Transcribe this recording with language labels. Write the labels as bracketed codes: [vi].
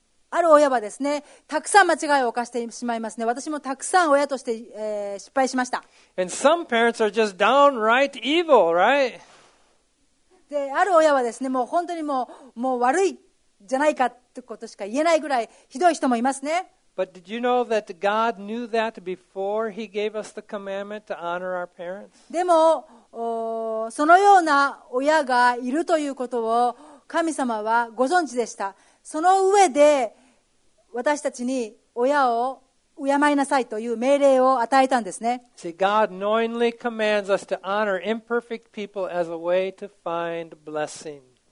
[ja] ある親はですね、たくさん間違いを犯してしまいますね。私もたくさん親として、失敗しました。 [en] And some parents are just downright evil, right? [ja] で、ある親はですね、もう本当にもう悪いじゃないかってことしか言えないぐらいひどい人もいますね。 [en] But did you know that God knew that before He gave us the commandment to honor our parents? [ja] でも、そのような親がいるということを神様はご存知でした。その上で私たちに親を敬いなさいという命令を与えたんですね。 [en] See, God knowingly commands us to honor imperfect people as a way to find blessing.